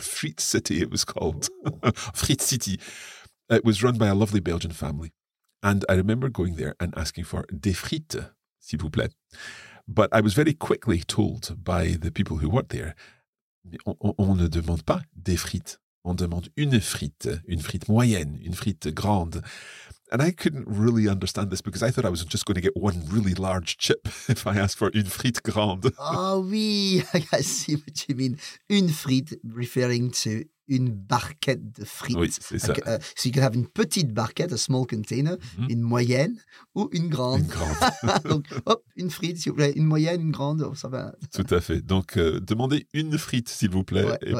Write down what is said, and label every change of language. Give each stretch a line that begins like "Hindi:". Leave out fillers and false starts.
English: Frit City, it was called. Frit City. It was run by a lovely Belgian family. And I remember going there and asking for
French: des frites, s'il vous plaît.
English: But I was very quickly told by the people who worked there,
French: on ne demande pas des frites. On demande une frite moyenne, une frite grande.
English: And I couldn't really understand this because I thought I was just going to get one really large chip if I asked for
French: une frite grande. Oh oui,
English: I see what you mean.
French: Une frite,
English: referring to
French: une barquette de frites. Oui, c'est ça. Like,
English: so you can have
French: une petite barquette,
English: a small container, mm-hmm.
French: une moyenne ou une grande. Une grande. Donc, hop, une frite, s'il vous plaît. Une moyenne, une grande, ça va. Tout à fait. Donc, demandez une frite, s'il vous plaît, ouais, et ouais.